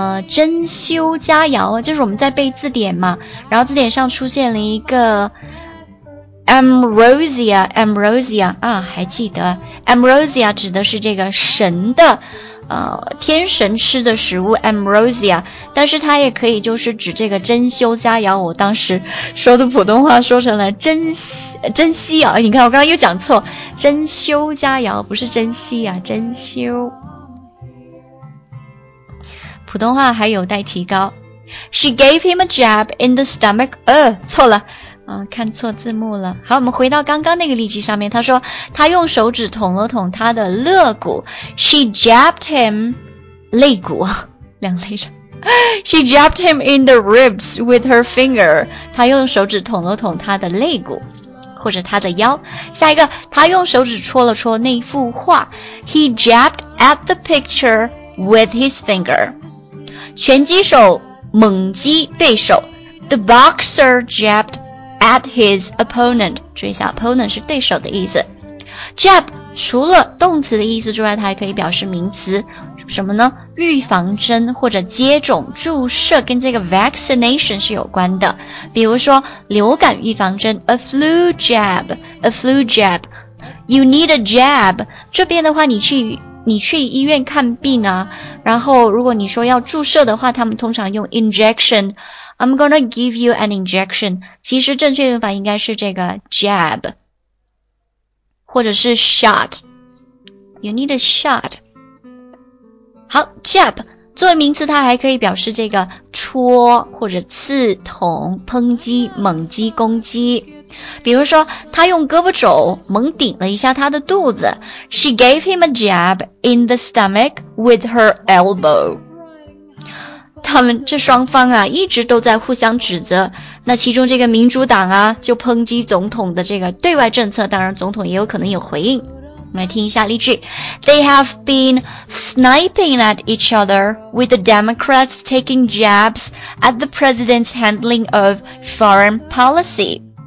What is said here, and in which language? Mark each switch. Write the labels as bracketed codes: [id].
[zh] 针灸佳肴，就是我们在背字典嘛，然后字典上出现了一个Ambrosia 啊，还记得 Ambrosia 指的是这个神的天神吃的食物 Ambrosia， 但是它也可以就是指这个珍馐佳肴。我当时说的普通话说成了珍稀啊，你看我刚刚又讲错，珍馐佳肴，不是珍惜啊，珍馐。普通话还有待提高。 [en] She gave him a jab in the stomach. [zh] 错了，看错字幕了。好，我们回到刚刚那个例句上面，他说他用手指捅了捅他的肋骨。 [en] She jabbed him, [zh] 肋骨，两肋上。 [en] She jabbed him in the ribs with her finger. [zh] 他用手指捅了捅他的肋骨，或者他的腰。下一个，他用手指戳了戳那幅画。 [en] He jabbed at the picture with his finger. [zh] 拳击手猛击对手。 [en] The boxer jabbed at his opponent. [zh] 注意一下 ,opponent 是对手的意思。 Jab 除了动词的意思之外，它还可以表示名词。什么呢？预防针或者接种注射，跟这个 vaccination 是有关的。比如说流感预防针 [en] a flu jab, you need a jab。 [zh] 这边的话你去医院看病啊，然后如果你说要注射的话，他们通常用 injection。 [en] I'm gonna give you an injection。 [zh] 其实正确用法应该是这个 jab 或者是 shot。 [en] You need a shot。 [zh] 好， jab 作为名词，它还可以表示这个戳或者刺捅、抨击、猛击、攻击。比如说他用胳膊肘猛顶了一下他的肚子。 [en] She gave him a jab in the stomach with her elbow. [zh] 他们这双方啊一直都在互相指责，那其中这个民主党啊就抨击总统的这个对外政策，当然总统也有可能有回应。我们来听一下例句。 [en] They have been sniping at each other with the Democrats taking jabs at the president's handling of foreign policy.